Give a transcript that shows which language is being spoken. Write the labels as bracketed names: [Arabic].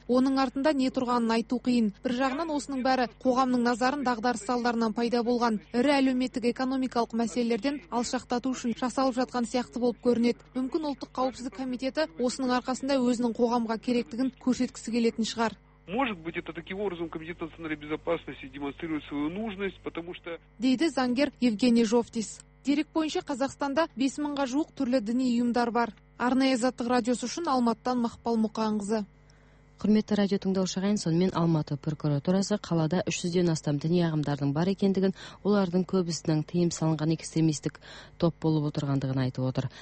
[Kazakh] Оның артында не тұрғанын айту қиын. Бір жағынан осының бәрі қоғамның назарын дағдарыс салдарынан пайда болған ірі әлеуметтік экономикалық мәселелерден алшақтату үшін жасалып жатқан сияқты болып көрінеді. Мүмкін Ұлттық қауіпсіздік комитеті осының арқасында өзінің қоғамға керектігін көрсеткісі келетін шығар. [Russian] Может быть, это таким образом комитет национальной безопасности демонстрирует свою нужность, потому что [Kazakh] дейді заңгер Евгений Жовтис. Дерек бойынша Қазақстанда 5000-ға жуық түрлі діни ұйымдар бар. Арнайы заттық радиосы үшін Алматыдан Мақпал Мұқанқызы. Құрметті радио тыңдаушыларым, сонымен Алматы прокуратурасы қалада 300-ден астам діни ағымдардың бар екендігін, олардың көбісінің тыйым салынған экстремистік топ болып отырғандығын айтып отыр.